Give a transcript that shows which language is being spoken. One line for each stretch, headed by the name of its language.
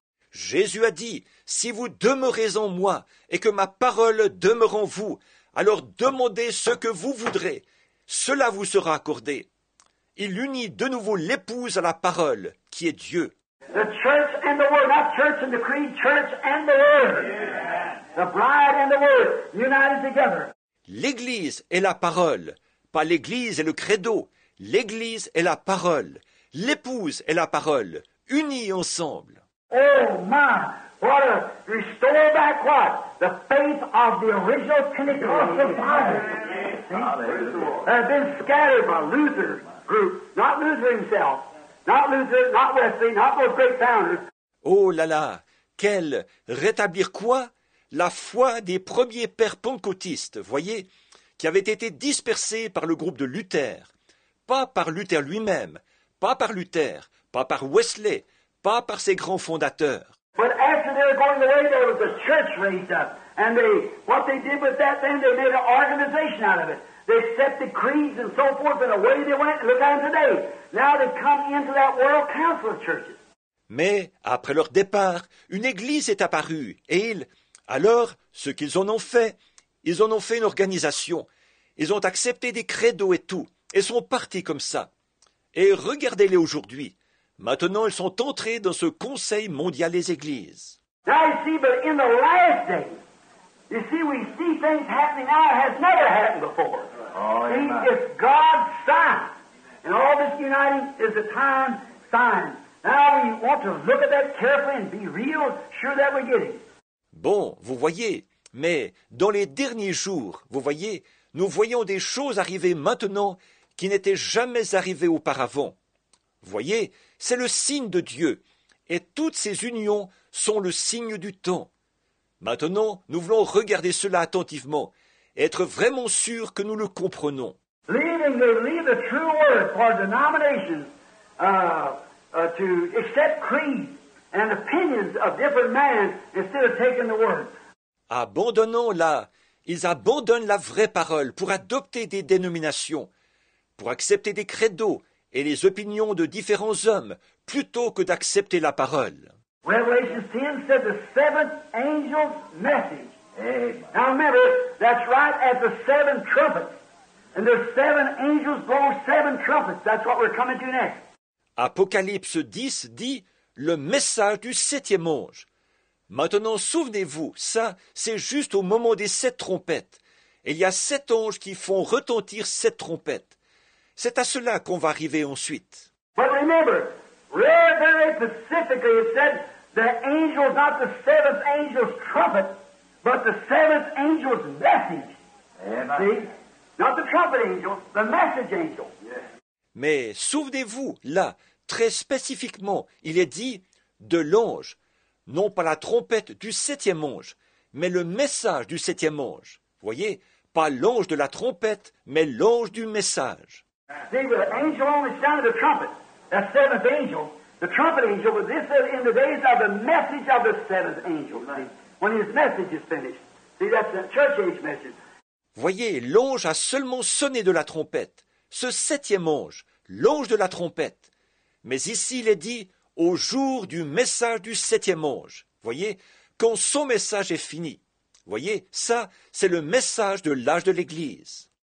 French: Jésus a dit, si vous demeurez en moi et que ma parole demeure en vous, alors demandez ce que vous voudrez, cela vous sera accordé. Il unit de nouveau l'épouse à la parole, qui est Dieu.
English: The church and the word, not church and the creed, church and the word. The bride and the word, united together.
French: L'église est la parole, pas l'église et le credo. L'église est la parole. L'épouse est la parole, unie ensemble.
English: Oh my, what a restore back what? The faith of the original Pentecostal fathers. Have been scattered by Luther group, not Luther himself. Not Luther, not Wesley, not those great founders.
French: Oh là là, quel rétablir quoi? La foi des premiers pères pentecôtistes, voyez, qui avait été dispersée par le groupe de Luther. Pas par Luther lui-même, pas par Luther, pas par Wesley, pas par ses grands fondateurs.
English: But after they were going away, there was a church raised up. And they, what they did with that thing, they made an organization out of it. They set the creeds and so forth, and away they went, and look at them today. Now they come into that world council of churches.
French: Mais après leur départ, une église est apparue, et ils, alors, ce qu'ils en ont fait, ils en ont fait une organisation. Ils ont accepté des credos et tout. Et sont partis comme ça. Et regardez-les aujourd'hui. Maintenant, ils sont entrés dans ce Conseil mondial des Églises.
English: Now you see, but in the last days, you see, we see things happening now that has never happened before. Oh, see, it's God's sign. And all this uniting is a time sign. Now we want to look at that carefully and be real sure that we're getting it.
French: Bon, vous voyez, mais dans les derniers jours, vous voyez, nous voyons des choses arriver maintenant qui n'étaient jamais arrivées auparavant. Voyez, c'est le signe de Dieu, et toutes ces unions sont le signe du temps. Maintenant, nous voulons regarder cela attentivement, et être vraiment sûrs que nous le comprenons.
English: Leaving, they leave the true word for denominations, to accept creeds and opinions of different men instead of taking the word.
French: Abandonnons la... Ils abandonnent la vraie parole pour adopter des dénominations, pour accepter des credos et les opinions de différents hommes, plutôt que d'accepter la parole.
English: Revelation 10 said the seventh angel's message. Now remember, that's right at the seven trumpets. And the seven angels blow seven trumpets. That's what we're coming to next.
French: Apocalypse 10 dit le message du septième ange. Maintenant, souvenez-vous, ça, c'est juste au moment des sept trompettes. Et il y a sept anges qui font retentir sept trompettes. C'est à cela qu'on va arriver ensuite.
English: But remember, very specifically it said the angel, not the seventh angel's trumpet, but the seventh angel's message. Amen. See? Not the trumpet angel, the message angel. Yes.
French: Mais souvenez-vous, là, très spécifiquement, il est dit de l'ange, non pas la trompette du septième ange, mais le message du septième ange. Vous voyez, pas l'ange de la trompette, mais l'ange du message.
English: See, with the angel on the sound of the trumpet, the seventh angel, the trumpet angel, but this is in the days of the message of the seventh angel, when his message is finished. See, that's the church age message.
French: Voyez, l'ange a seulement sonné de la trompette. Ce septième ange, l'ange de la trompette. Mais ici, il est dit, au jour du message du septième ange. Voyez, quand son message est fini. Voyez, ça, c'est le message de l'âge de l'Église.